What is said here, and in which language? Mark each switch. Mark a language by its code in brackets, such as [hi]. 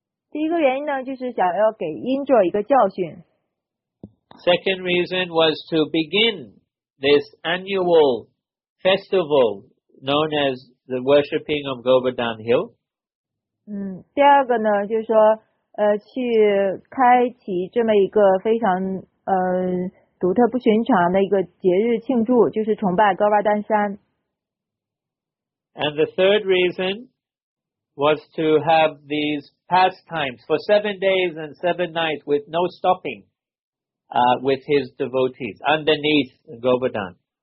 [zh] 第一个原因呢，就是想要给 Indra 一个教训。 [en] Second reason was to begin this annual festival known as the worshipping of Govardhan Hill. [zh] 第二个呢就是说去开启这么一个非常独特不寻常的一个节日庆祝，就是崇拜高巴丹山。 [en] And the third reason was to have these pastimes for 7 days and 7 nights with no stopping. With his devotees underneath Govardhan.